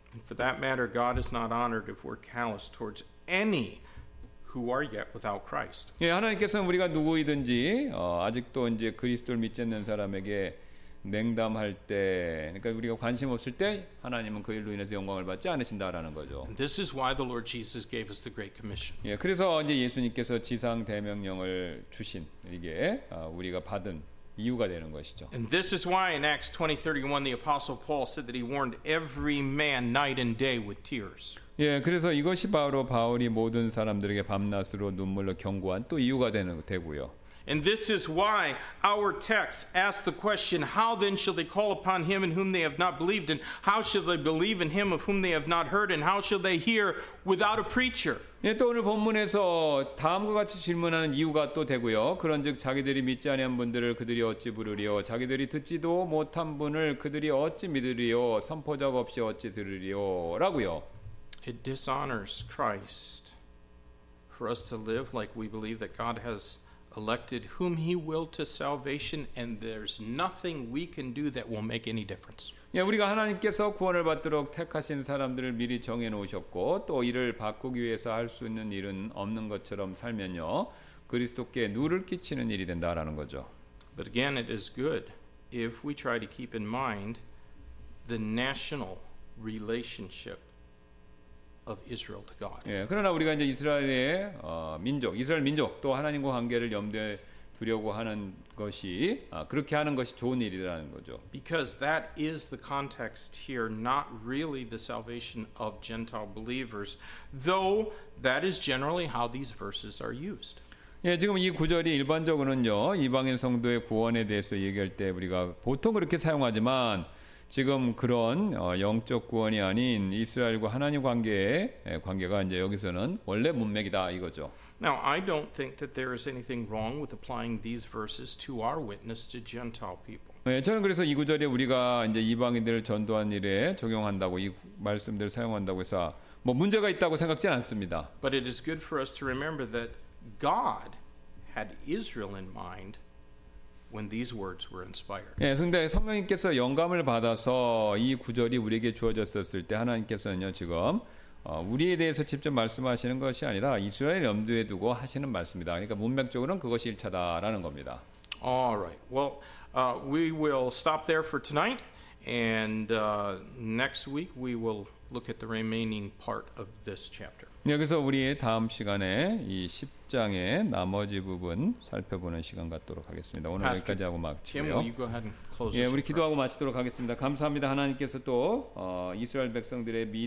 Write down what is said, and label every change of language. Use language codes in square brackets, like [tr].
[en] For that matter, God is not honored if we're callous towards any who are yet without Christ. [ko] 예, 하나님께서는 우리가 누구이든지 아직도 이제 그리스도를 믿지 않는 사람에게 냉담할 때, 그러니까 우리가 관심 없을 때 하나님은 그 일로 인해서 영광을 받지 않으신다라는 거죠. [en] And this is why the Lord Jesus gave us the great commission. [ko] 예, 그래서 이제 예수님께서 지상 대명령을 주신 이게 우리가 받은 이유가 되는 것이죠. [en] And this is why in Acts 20:31 the apostle Paul said that he warned every man night and day with tears. [ko] 예, 그래서 이것이 바로 바울이 모든 사람들에게 밤낮으로 눈물로 경고한 또 이유가 되고요. [en] And this is why our text asks the question, how then shall they call upon him in whom they have not believed? And how shall they believe in him of whom they have not heard? And how shall they hear without a preacher? [ko] 예, 또 오늘 본문에서 다음과 같이 질문하는 이유가 또 되고요. 그런즉 자기들이 믿지 아니한 분들을 그들이 어찌 부르리요? 자기들이 듣지도 못한 분을 그들이 어찌 믿으리요? 선포적 없이 어찌 들으리요? 라고요. [en] It dishonors Christ for us to live like we believe that God has elected whom he will to salvation and there's nothing we can do that will make any difference. [ko] 예, 우리가 하나님께서 구원을 받도록 택하신 사람들을 미리 정해 놓으셨고 또 이를 바꾸기 위해서 할 수 있는 일은 없는 것처럼 살면요. 그리스도께 누를 끼치는 일이 된다라는 거죠. [en] But again it is good if we try to keep in mind the national relationship of Israel to God. [ko] 예, 그러나 우리가 이제 이스라엘의 민족, 이스라엘 민족 또 하나님과 관계를 염두에 두려고 하는 것이 그렇게 하는 것이 좋은 일이라는 거죠. [en] Because that is the context here, not really the salvation of Gentile believers, though that is generally how these verses are used. [ko] 예, 지금 이 구절이 일반적으로는요 이방인 성도의 구원에 대해서 얘기할 때 우리가 보통 그렇게 사용하지만. 지금 그런 영적 구원이 아닌 이스라엘과 하나님 관계가 이제 여기서는 원래 문맥이다 이거죠. [en] Now I don't think that there is anything wrong with applying these verses to our witness to Gentile people. [ko] 네, 저는 그래서 이 구절에 우리가 이제 이방인들을 전도한 일에 적용한다고 이 말씀들을 사용한다고 해서 뭐 문제가 있다고 생각지 않습니다. [en] But it is good for us to remember that God had Israel in mind. When these words were inspired. [ko] 예, 근데 성령님께서 영감을 받아서 이 구절이 우리에게 주어졌었을 때 하나님께서는요 지금 우리에 대해서 직접 말씀하시는 것이 아니라 이스라엘 염두에 두고 하시는 말씀이다. 그러니까 문맥적으로는 그것이 일차다라는 겁니다. [en] All right. Well, we will stop there for tonight, and next week we will look at the remaining part of this chapter. [ko] 여기서 우리 다음 시간에 이 10장의 나머지 부분 살펴보는 시간 갖도록 하겠습니다. 오늘 [en] Pastor, [ko] 여기까지 하고 마치고요. [en] Kim, [ko] 예, 우리 기도하고 마치도록 하겠습니다. 감사합니다. 하나님께서 또 이스라엘 백성들의 미래